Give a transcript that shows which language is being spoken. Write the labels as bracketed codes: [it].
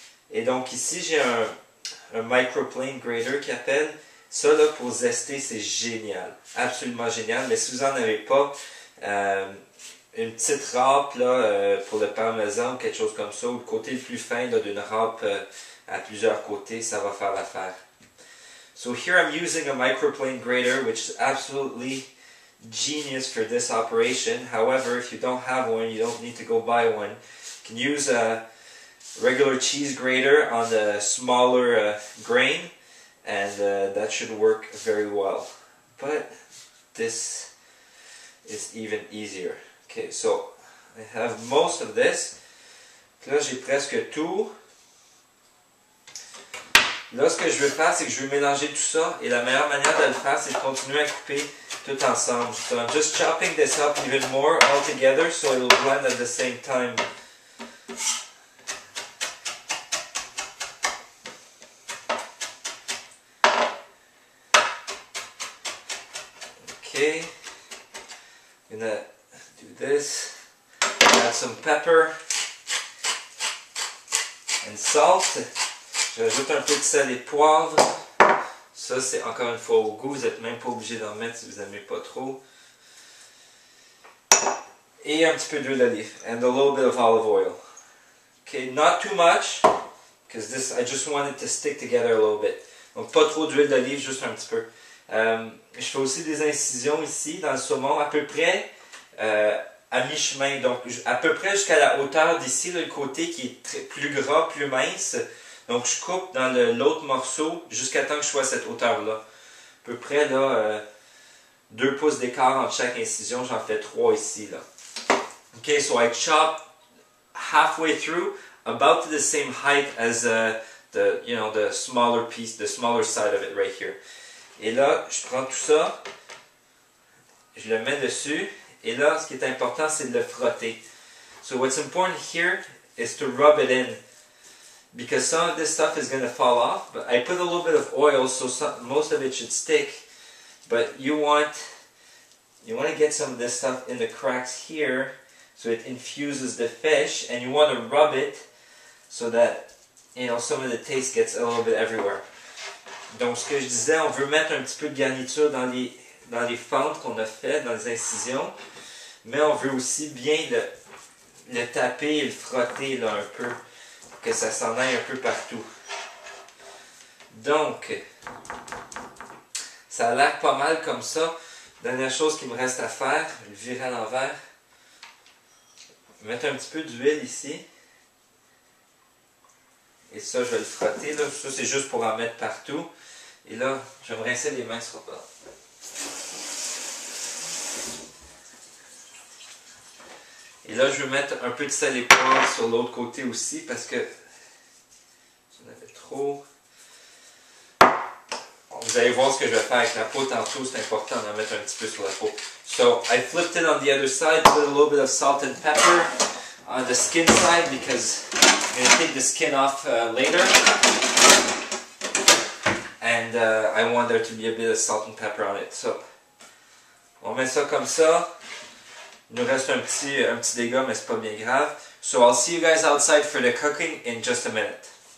[fr] Et donc, ici, j'ai un microplane grater qui appelle. Ça, là, pour zester, c'est génial. Absolument génial. Mais si vous n'en avez pas, une petite râpe, là, pour le parmesan ou quelque chose comme ça, ou le côté le plus fin, là, d'une râpe à plusieurs côtés, ça va faire l'affaire. [en] So here I'm using a microplane grater, which is absolutely genius for this operation. However, if you don't have one, you don't need to go buy one. You can use a regular cheese grater on the smaller grain, and that should work very well. But this is even easier. Okay, so I have most of this. [fr] Là, j'ai presque tout. [en] Là, ce que je veux faire, c'est que je veux mélanger tout ça. Et la meilleure manière de le faire, c'est de continuer à couper tout ensemble. So, I'm just chopping this up even more all together, so it will blend at the same time. Okay. I'm gonna do this. Add some pepper. And salt. [fr] J'ajoute un peu de sel et de poivre. Ça, c'est encore une fois au goût. Vous n'êtes même pas obligé d'en mettre si vous n'aimez pas trop. Et un petit peu d'huile d'olive. [en] And a little bit of olive oil. Okay, not too much. Because this, I just want it to stick together a little bit. [fr] Donc, pas trop d'huile d'olive, juste un petit peu. Je fais aussi des incisions ici dans le saumon, à peu près à mi-chemin. Donc, à peu près jusqu'à la hauteur d'ici, le côté qui est très, plus gras, plus mince. Donc, je coupe dans l'autre morceau jusqu'à temps que je sois à cette hauteur-là. À peu près, là, 2 pouces d'écart entre chaque incision. J'en fais 3 ici, là. [en] OK, so I chop halfway through, about the same height as the smaller side of it right here. [fr] Et là, je prends tout ça, je le mets dessus, et là, ce qui est important, c'est de le frotter. [en] So what's important here is to rub it in, because some of this stuff is going to fall off, but I put a little bit of oil, so most of it should stick, but you want to get some of this stuff in the cracks here. So it infuses the fish, and you want to rub it so that some of the taste gets a little bit everywhere. [fr] Donc, ce que je disais, on veut mettre un petit peu de garniture dans les fentes qu'on a faites, dans les incisions, mais on veut aussi bien le taper et le frotter là, un peu, que ça s'en aille un peu partout. Donc, ça a l'air pas mal comme ça. Dernière chose qu'il me reste à faire, je le virer à l'envers. Mettre un petit peu d'huile ici. Et ça, je vais le frotter, là. Ça, c'est juste pour en mettre partout. Et là, je vais me rincer les mains sur le bord. Et là, je vais mettre un peu de sel et poivre sur l'autre côté aussi, parce que j'en avais trop. Vous allez voir ce que je vais faire avec la peau tantôt. C'est important d'en mettre un petit peu sur la peau. [en] So, I flipped it on the other side, put a little bit of salt and pepper on the skin side because I'm going to take the skin off later. And I want there to be a bit of salt and pepper on it. [fr] So, on met ça comme ça. Il nous reste un petit dégât, mais c'est pas bien grave. [en] So, I'll see you guys outside for the cooking in just a minute.